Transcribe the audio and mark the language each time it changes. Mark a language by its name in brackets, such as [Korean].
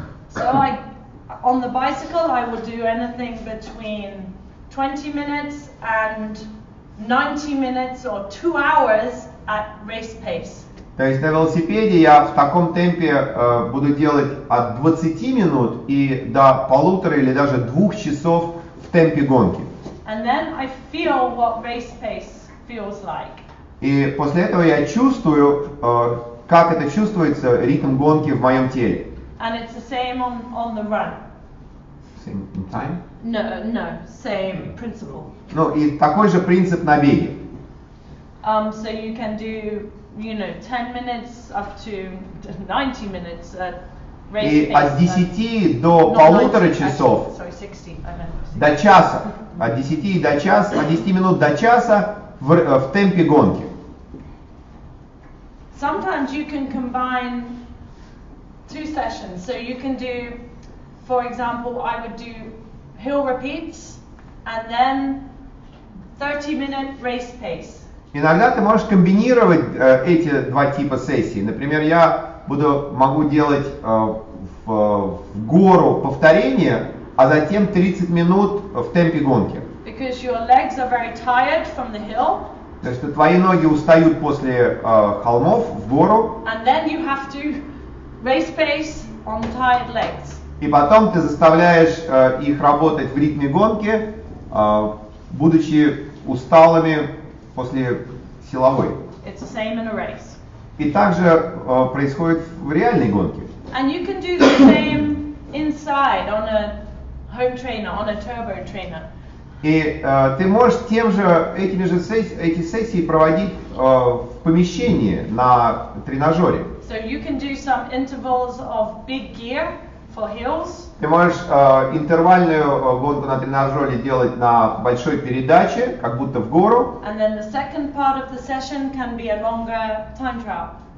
[English] So on the bicycle I would do anything between 20 minutes and 90 minutes or 2 hours at race pace. [Russian] То есть на велосипеде я в таком темпе буду делать от 20 минут и до полутора или даже двух часов в темпе гонки. [English] And then I feel what race pace feels like. [Russian] И после этого я чувствую, как это чувствуется, ритм гонки в моем теле. [English] And it's the same on the run. Same in time? No, same principle. [Russian] Ну и такой же принцип на беге. [English] So you can do, you know, 10 minutes up to 90 minutes at race [Russian] и И от 10 до полутора часов. [English] Sorry, 60. I meant 60. [Russian] До часа. От 10 до часа, от 10 минут до часа в темпе гонки. [English] Sometimes you can combine two sessions. So you can do, for example, I would do hill repeats and then 30-minute race pace. [Russian] Иногда ты можешь комбинировать эти два типа сессий. Например, я могу делать в гору повторение, а затем 30 минут в темпе гонки. [English] Because your legs are very tired from the hill. [Russian] То есть твои ноги устают после холмов в гору. [English] And then you have to race pace on tired legs. [Russian] И потом ты заставляешь их работать в ритме гонки, будучи усталыми после силовой. [English] It's the same in a race. [Russian] И также происходит в реальной гонке. [English] And you can do the same inside on a home trainer, on a turbo trainer. [Russian] И ты можешь эти сессии проводить в помещении на тренажере. [English] So you can do some intervals of big gear for hills. [Russian] Ты можешь интервальную гонку на тренажере делать на большой передаче, как будто в гору. [English] And then the second part of the session can be a longer time trial.